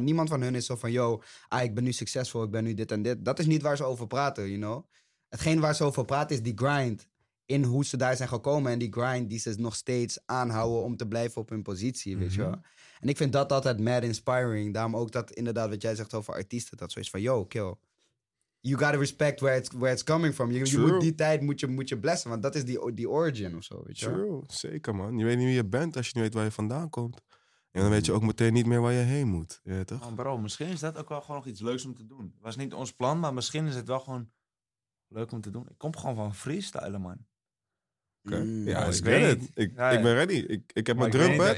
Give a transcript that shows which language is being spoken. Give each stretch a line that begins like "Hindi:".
Dutch: Niemand van hun is zo van, yo, ik ben nu succesvol, ik ben nu dit en dit. Dat is niet waar ze over praten,
English: you know.
Dutch: Hetgeen waar ze over praten is die grind. In hoe ze daar zijn gekomen en die grind die ze nog steeds aanhouden om te blijven op hun positie, weet je wel. En ik vind dat altijd
English: mad inspiring.
Dutch: Daarom ook dat inderdaad wat jij zegt over artiesten, dat zoiets van, yo, kill.
English: You gotta respect where it's coming from.
Dutch: Die tijd moet je blessen, want dat is die origin of zo, weet je wel. Zeker, man. Je weet niet wie je bent als je niet weet waar je vandaan komt. En dan weet je ook meteen niet meer waar je heen moet, ja, toch? Oh, bro, misschien is dat ook wel gewoon nog iets leuks om te doen. Het was niet ons plan, maar misschien is het wel gewoon leuk om te doen. Ik kom gewoon van freestylen, man. Okay. Ja, ik weet het. Ik ben ready. Ik heb mijn drumpad.